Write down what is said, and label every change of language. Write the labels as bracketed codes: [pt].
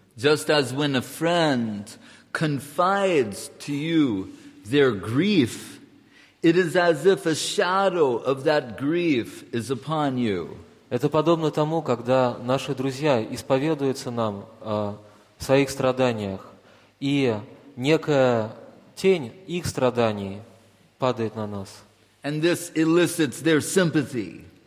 [en] Just as when a friend confides to you their grief, it is as if a shadow of that grief is upon you. [ru] Это подобно тому, когда наши друзья исповедуются нам в своих страданиях, и некая тень их страданий падает на нас. [en] And this elicits their sympathy.